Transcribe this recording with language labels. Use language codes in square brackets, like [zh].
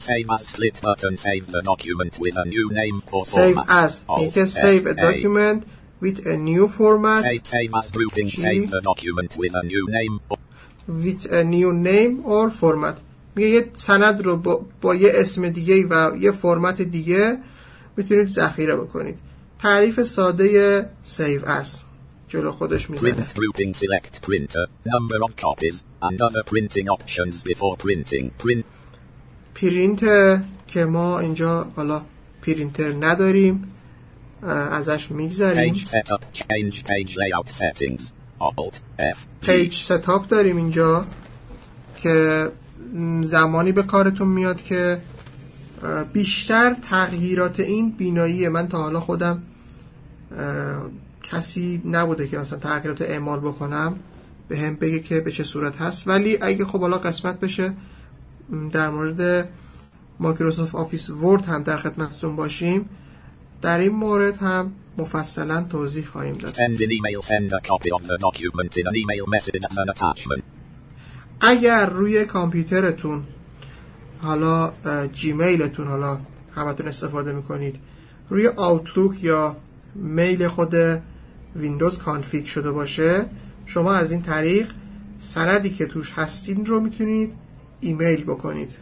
[en] Save as split button, save the document with a new name or format. Save as. Alt, F, save a document a. with a new format. Save as grouping, save the document with a new name or with a new name or format. [fa] میگه یه سند رو با یه اسم دیگه و یه فرمت دیگه میتونید ذخیره بکنید. تعریف ساده save as. جلو خودش میزنه. [en] Print grouping select printer number of copies and other printing options before printing print. [fa] پرینتر که ما اینجا حالا پرینتر نداریم ازش میگذاریم. [en] Page setup change page layout settings Alt F. [fa] Page setup داریم اینجا که زمانی به کارتون میاد که بیشتر تغییرات این بینایی من تا حالا خودم کسی نبوده که مثلا تغییرات اعمال بکنم به هم بگه که به چه صورت هست، ولی اگه خب حالا قسمت بشه در مورد مایکروسافت آفیس ورد هم در خدمتتون باشیم، در این مورد هم مفصلا توضیح خواهیم داد. [en] Send an email, send a copy of the document in an email message as an attachment. [fa] اگر روی کامپیوترتون حالا جیمیلتون حالا همتون استفاده میکنید، روی آوتلوک یا میل خود ویندوز کانفیگ شده باشه، شما از این طریق سندی که توش هستین رو میتونید ایمیل بکنید.